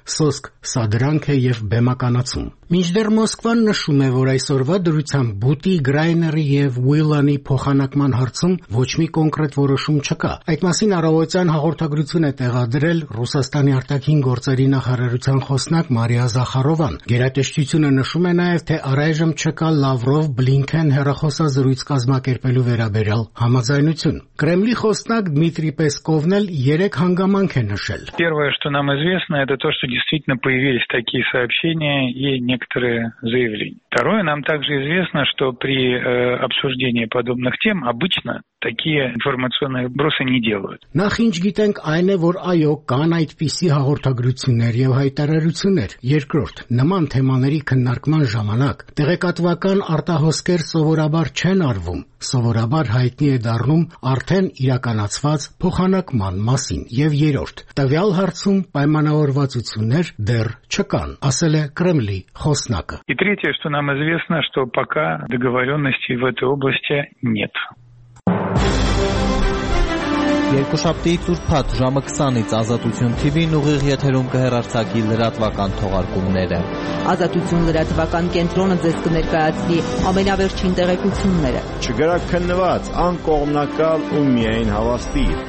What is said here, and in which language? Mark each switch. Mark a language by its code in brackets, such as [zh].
[hy] սոսկ սադրանք է եւ բեմականացում։ Մինչդեռ Մոսկվան նշում է, որ այսօրվա դրությամբ Բուտի, Գրայների եւ Ուիլանի փոխանակման հարցում ոչ մի կոնկրետ որոշում չկա։ Այդ մասին առավոտյան հաղորդագրություն է տեղադրել Ռուսաստանի արտաքին գործերի նախարարության խոսնակ Մարիա Զախարովան։ Գերատեսչությունը նշում է նաեւ, թե առայժմ չկա Լավրով, Բլինքեն հեռախոսազրույց կազմակերպելու վերաբերյալ համաձայնություն։ Կրեմլի խոսնակ Դմիտրի Պեսկովն էլ երեք հանգամանք է նշել։ [ru] Первое, что нам известно, это то, что действительно появились такие сообщения и некоторые заявления. Второе, нам также известно, что при обсуждении подобных тем обычно такие информационные вбросы не делают. [hy] Նախ ինչ գիտենք այն է, որ այո, կան այդպիսի հաղորդագրություններ եւ հայտարարություններ։ Երկրորդ, նման թեմաների քննարկման ժամանակ տեղեկատվական արտահոսքեր սովորաբար չեն արվում, սովորաբար հայտնի է դառնում արդեն իրականացված փոխանակման մասին։ Եվ երրորդ, տվյալ հարցում պայմանավորվածություններ դեռ չկան, ասել է Կրեմլի խոսնակը։ [ru] И третье, что нам известно, что пока договорённостей в этой области нет. [hy] Երկուշաբթի Տուրփատ ժամը 20-ից Ազատություն TV-ն ուղիղ եթերում կհեռարցակի լրատվական թողարկումները։ Ազատություն լրատվական կենտրոնը ձեզ կներկայացնի ամենավերջին տեղեկությունները։ Չգրաքննված, անկողմնակալ ու միայն հավաստիր։